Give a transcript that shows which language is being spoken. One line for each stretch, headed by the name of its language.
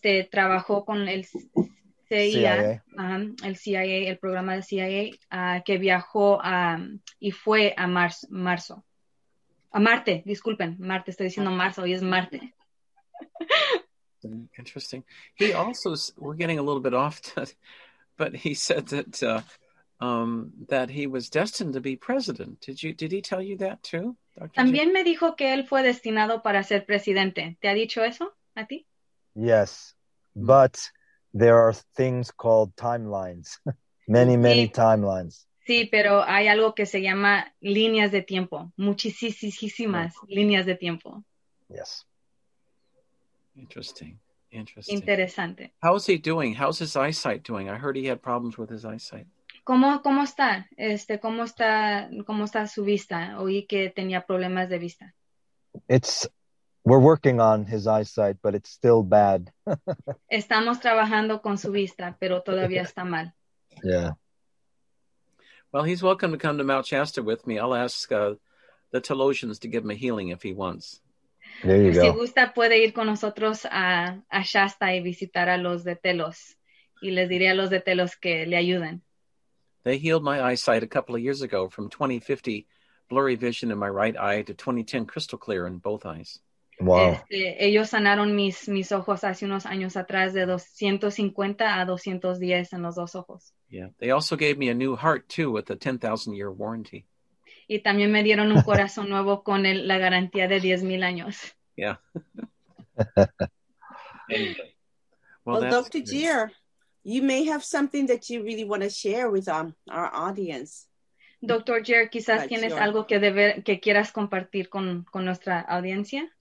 Spanish: Trabajó con el CIA, el CIA, el programa de CIA, que viajó y fue a marzo. A Marte, disculpen, Marte, estoy diciendo marzo, hoy es Marte.
English: Interesting. He also, we're getting a little bit off, but he said that that he was destined to be president. Did he tell you that too, Dr.
Spanish: También me dijo que él fue destinado para ser presidente. ¿Te ha dicho eso a ti?
English: Yes, but there are things called timelines, many timelines.
Spanish: Sí, pero hay algo que se llama líneas de tiempo, muchísimas líneas de tiempo.
English: Yes. Interesting.
Spanish: Interesante.
English: How's he doing? How's his eyesight doing? I heard he had problems with his eyesight.
Spanish: ¿Cómo está? ¿Cómo está su vista? Oí que tenía problemas de vista.
English: We're working on his eyesight, but it's still bad.
Spanish: Estamos trabajando con su vista, pero todavía está mal.
English: Yeah. Well, he's welcome to come to Mount Shasta with me. I'll ask the Talosians to give him a healing if he wants. There you go.
Spanish: Si gusta, puede ir con nosotros a Shasta y visitar a los de Telos. Y les diré a los de Telos que le ayuden.
English: They healed my eyesight a couple of years ago from 20/50 blurry vision in my right eye to 20/10 crystal clear in both eyes. Wow.
Spanish: Ellos sanaron mis ojos hace unos años atrás de 250 a 210 en los dos ojos.
English: Yeah. They also gave me a new heart too with a 10,000 year warranty.
Spanish: Y también me dieron un corazón nuevo con la garantía de 10,000 años.
English: Yeah. Anyway. Well, Dr. Gier, you may have something that you really want to share with our audience. Dr.
Spanish: Gier, quizás
English: That's
Spanish: tienes
English: your...
Spanish: algo que deber, que quieras compartir con nuestra audiencia.